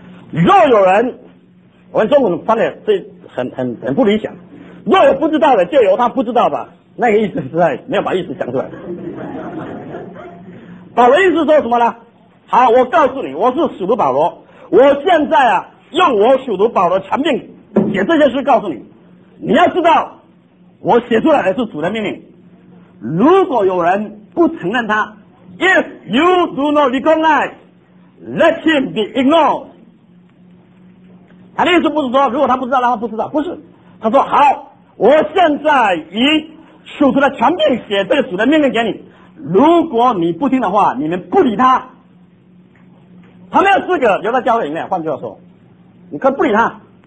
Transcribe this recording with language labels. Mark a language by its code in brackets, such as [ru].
[zh] 若有人，我们中文翻的这很不理想，若有不知道的就由他不知道吧，那个意思实在没有把意思讲出来。保罗意思说什么呢？好，我告诉你，我是使徒保罗，我现在啊用我使徒保罗的权柄写这些事告诉你，你要知道我写出来的是主的命令。如果有人不承认他， [en] If you do not recognize, let him be ignored。 [zh] 他的意思不是说如果他不知道让他不知道，不是，他说好，我现在以属徒的权柄写这个主的命令给你，如果你不听的话，你们不理他，他没有资格留在教会里面。换句话说，你可不理他，